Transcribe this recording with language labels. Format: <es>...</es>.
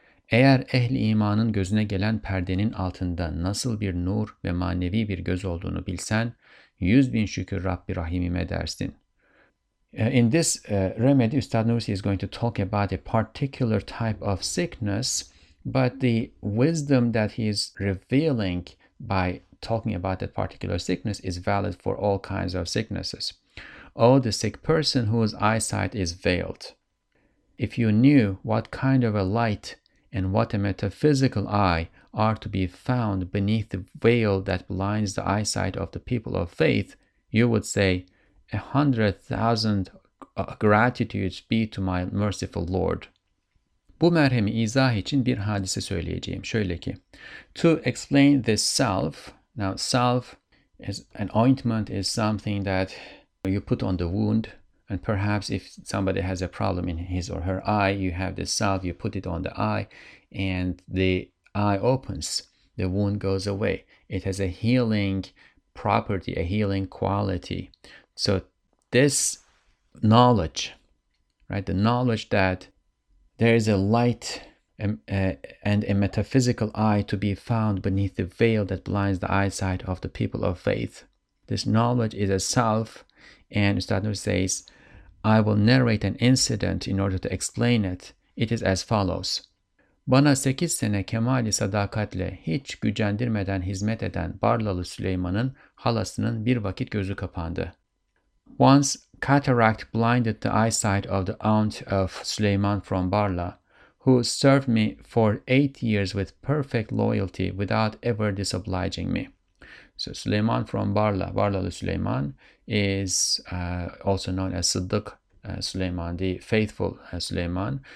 <tr>Eğer ehli imanın gözüne gelen perdenin altında nasıl bir nur ve manevi bir göz olduğunu bilsen, 100,000 şükür Rabbi Rahimime dersin.</tr> <en>In this remedy, Üstad Nursi is going to talk about a particular type of sickness, but the wisdom that he is revealing by talking about that particular sickness is valid for all kinds of sicknesses. Oh, the sick person whose eyesight is veiled. If you knew what kind of a light and what a metaphysical eye are to be found beneath the veil that blinds the eyesight of the people of faith, you would say, 100,000 gratitudes be to my merciful Lord.</en> <tr>Bu merhemi izah için bir hadise söyleyeceğim. Şöyle ki,</tr> <en>to explain this salve, now salve is an ointment, is something that you put on the wound. And perhaps if somebody has a problem in his or her eye, you have this salve, you put it on the eye, and the eye opens, the wound goes away. It has a healing property, a healing quality. So this knowledge, right, the knowledge that there is a light and a metaphysical eye to be found beneath the veil that blinds the eyesight of the people of faith. This knowledge is a salve, and Üstad Nursi says, I will narrate an incident in order to explain it. It is as follows.</en> <tr>Bana 8 sene kemali sadakatle hiç gücendirmeden hizmet eden Barlalı Süleyman'ın halasının bir vakit gözü kapandı.</tr> <en>Once cataract blinded the eyesight of the aunt of Süleyman from Barla, who served me for 8 years with perfect loyalty without ever disobliging me. So Süleyman from Barla, Barlalı Süleyman, is also known as Sıddık Süleyman, the faithful Süleyman.</en>